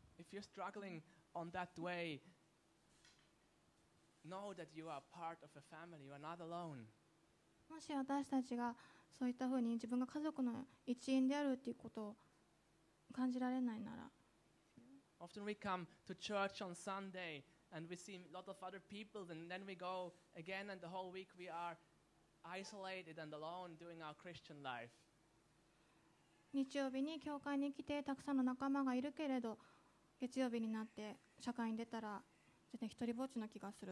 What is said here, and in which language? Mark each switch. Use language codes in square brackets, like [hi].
[en] If you're struggling on that way, know that you are part of a family. You are not alone. [ja] もし私たちがそういったふうに自分が家族の一員であるということを感じられないなら、 [en] often we come to church on Sunday and we see a lot of other people, and then we go again, and the whole week we are isolated and alone doing our Christian life. [ja] 日曜日に教会に来てたくさんの仲間がいるけれど、月曜日になって社会に出たら全然一人ぼっちの気がする